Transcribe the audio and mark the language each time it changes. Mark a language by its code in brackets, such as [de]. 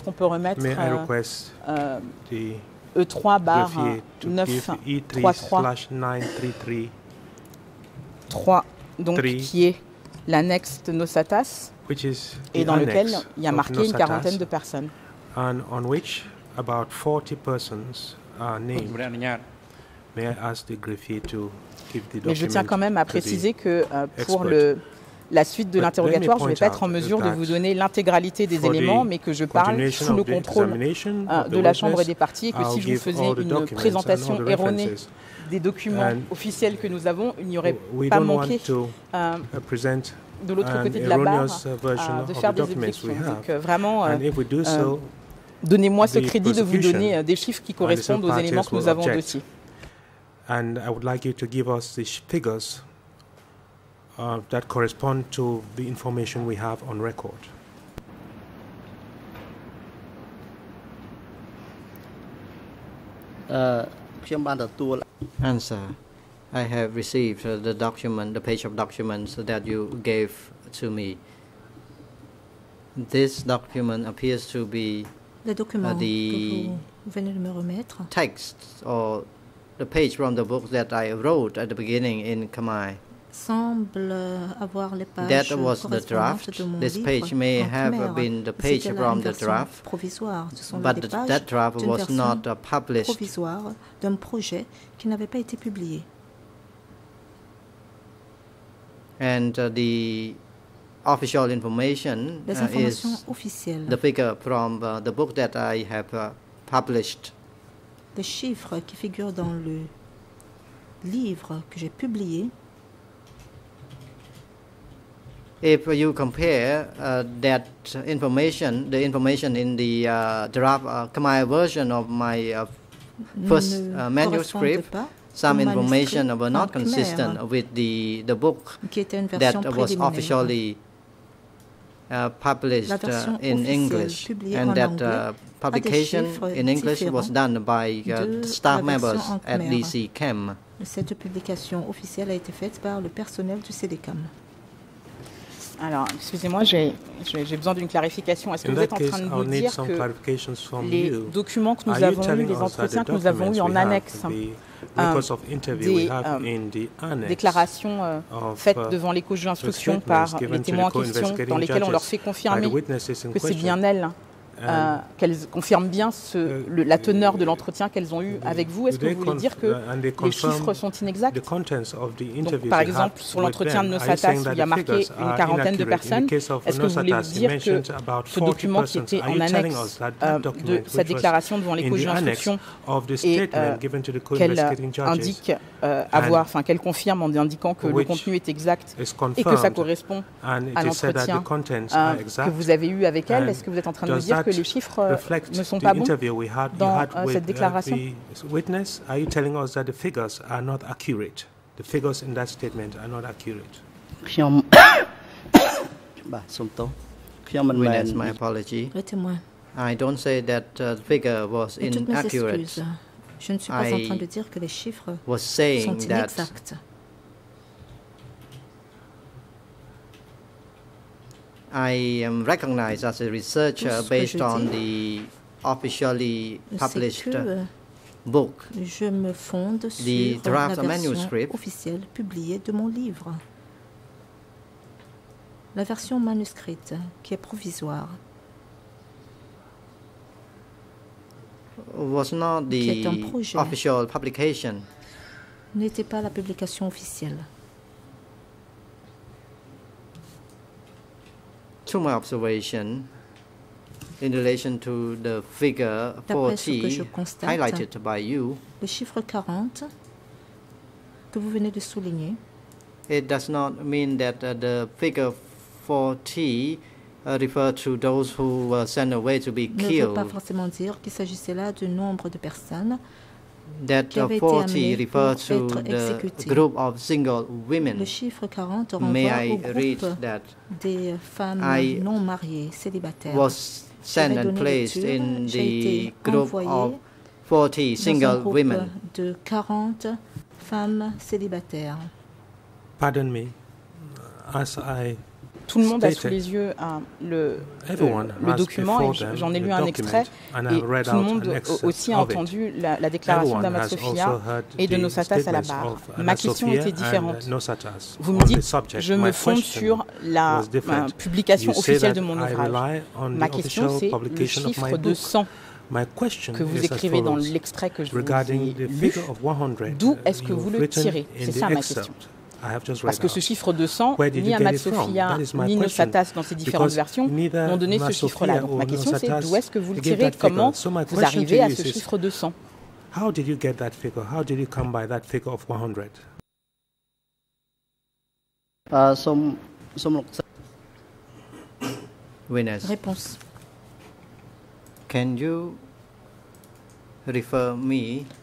[fr] Est-ce qu'on peut remettre E3/93333, qui est l'annexe de Nosatas, et dans lequel il y a marqué une quarantaine de personnes. [en] And on which about 40 persons are named. May I ask the greffier to give the document? [fr] Mais je tiens quand même à préciser que pour la suite de l'interrogatoire, je ne vais pas être en mesure de vous donner l'intégralité des éléments, mais que je parle sous le contrôle de la Chambre et des parties, et que si je vous faisais une présentation erronée des documents officiels que nous avons, il n'y aurait pas manqué de l'autre côté de la barre de faire des objections. Donc vraiment, donnez-moi ce crédit de vous donner des chiffres qui correspondent aux éléments que nous avons dossiers. [en] And I would like you to give us the figures that correspond to the information we have on record. Answer. I have received the document, the page of documents that you gave to me. This document appears to be the document the [fr] que vous venez de me remettre. [en] Text or the page from the book that I wrote at the beginning in Khmer. [fr] Semble avoir les pages [en] that was the draft. This page may have been the page from the draft, but that draft was not published. [fr] Provisoire d'un projet qui n'avait pas été publié. [en] And the official information is [fr] officielles. [en] The figure from the book that I have published. [fr] Les chiffres qui figurent dans le livre que j'ai publié. [en] If you compare that information, the information in the draft Khmer version of my first manuscript, some information were not consistent with the book that was officially published in English, and that publication in English was done by staff members at DCCAM. [fr] Cette publication officielle a été faite par le personnel du CDCAM. Alors, excusez-moi, j'ai besoin d'une clarification. Est-ce que vous êtes en train de nous dire que les documents que nous avons eus, les entretiens que nous avons eus en annexe, des déclarations faites devant les couches d'instruction par les témoins en question, dans lesquelles on leur fait confirmer que c'est bien elles, qu'elles confirment bien la teneur de l'entretien qu'elles ont eu avec vous. Est-ce que vous voulez dire que les chiffres sont inexacts? Donc, par exemple, sur l'entretien de Nosatas, il y a marqué une quarantaine de personnes. Est-ce que vous voulez dire que ce document qui était en annexe de sa déclaration devant les couches d'instruction et qu'elle indique avoir, enfin qu'elle confirme en indiquant que le contenu est exact et que ça correspond à l'entretien que vous avez eu avec elle, est-ce que vous êtes en train de dire que les chiffres ne sont pas bons dans cette déclaration? [en] Witness, are you telling us that the figures are not accurate? The figures in that statement are not accurate. Witness, my apology. I don't say that the figure was inaccurate. [fr] Je ne suis pas en train de dire que les chiffres sont inexacts. [en] I am recognized as a researcher based on the officially published book. [fr] Je me fonde sur [en] the draft [fr] la version officielle publiée de mon livre. La version manuscrite qui est provisoire. [en] Was not the official publication. [fr] N'était pas la publication officielle. [en] To my observation, in relation to the figure 40 highlighted by you, [fr] le chiffre 40 que vous venez de souligner, [en] it does not mean that the figure 40 refers to those who were sent away to be killed. [fr] Ne veut pas forcément dire qu'il s'agissait là du nombre de personnes. [en] That 40 refers to the group of single women. [fr] Le chiffre 40 renvoie au groupe des femmes non mariées, célibataires. [en] Was sent and placed in the group of 40 single women. [fr] De 40 femmes célibataires. [en] Pardon me, as I. [fr] Tout le monde a sous les yeux le document, et j'en ai lu un extrait, et tout le monde aussi a entendu la déclaration d'Amat Sophia et de Nosatas à la barre. Ma question était différente. Vous me dites, je me fonde sur la publication officielle de mon ouvrage. Ma question, c'est le chiffre de 100. [en] My question [fr] que vous écrivez dans l'extrait que je vous ai lu, 100, d'où est-ce que vous le tirez? C'est ça ma question. Parce que ce chiffre de 100, ni Amat Sophia ni Nosatas dans ces différentes versions n'ont donné ce chiffre-là. Donc ma question, c'est d'où est-ce que vous le tirez? Comment vous arrivez à ce chiffre de 100? [en] How did you get that figure? How did you come by that figure of 100? [fr] Réponse. [en] Can you refer me?